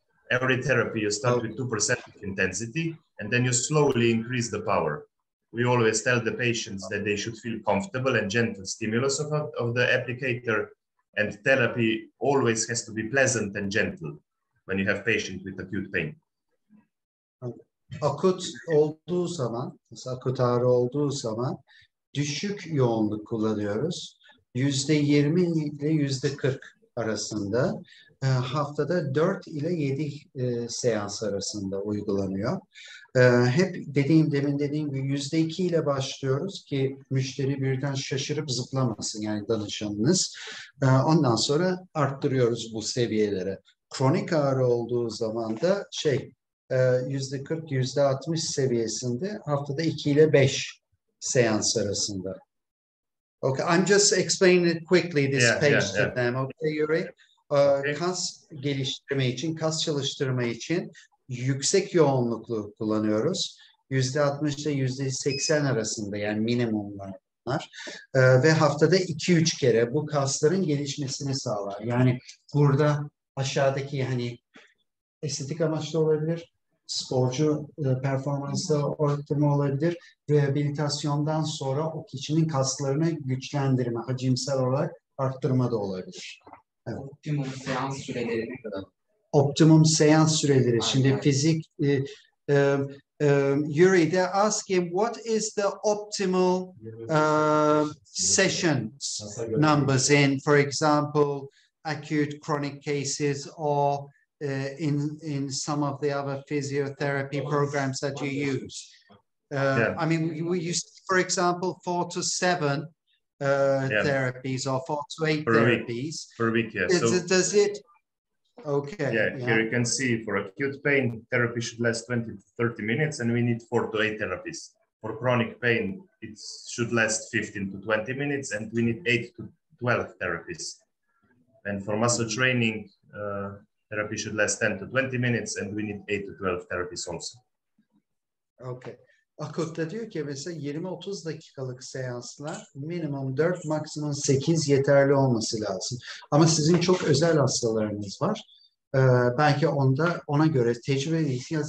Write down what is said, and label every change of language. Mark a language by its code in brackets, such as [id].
[en] Every therapy, you start with 2% of intensity, and then you slowly increase the power. We always tell the patients that they should feel comfortable and gentle stimulus of the applicator, and therapy always has to be pleasant and gentle when you have patients with acute pain. [tr] Akut olduğu zaman, akut ağrı olduğu zaman düşük yoğunluk kullanıyoruz. %20 ile %40 arasında, haftada 4 ile 7 seans arasında uygulanıyor. Hep demin dediğim gibi %2 ile başlıyoruz ki müşteri birden şaşırıp zıplamasın, yani danışanınız. Ondan sonra arttırıyoruz bu seviyelere. Kronik ağrı olduğu zaman da %40, %60 seviyesinde haftada 2 ile 5 seans arasında. [en] Okay, I'm just explaining it quickly, this page to them. Okay, Yuri. [tr] Kas geliştirme için, kas çalıştırma için yüksek yoğunluklu kullanıyoruz. %60 ile %80 arasında, yani minimumlar. Ve haftada 2-3 kere bu kasların gelişmesini sağlar. Yani burada aşağıdaki, hani estetik amaçlı olabilir, sporcu performansı ortamı olabilir. Rehabilitasyondan sonra o kişinin kaslarını güçlendirme, hacimsel olarak arttırma da olabilir. Evet. Optimum seans süreleri. Optimum seans süreleri. Şimdi [en] Yuri, they're asking what is the optimal session numbers in, for example, acute chronic cases or in some of the other physiotherapy programs that you use. I mean, we use, for example, 4 to 7. Therapies or 4 to 8 therapies per week. Yeah. Here you can see for acute pain therapy should last 20 to 30 minutes, and we need 4 to 8 therapies. For chronic pain, it should last 15 to 20 minutes, and we need 8 to 12 therapies. And for muscle training, therapy should last 10 to 20 minutes, and we need 8 to 12 therapies also. Okay. [tr] Akut'ta diyor ki mesela 20-30 dakikalık seanslar minimum 4, maksimum 8 yeterli olması lazım. Ama sizin çok özel hastalarınız var. Belki onda ona göre tecrübe ihtiyacı.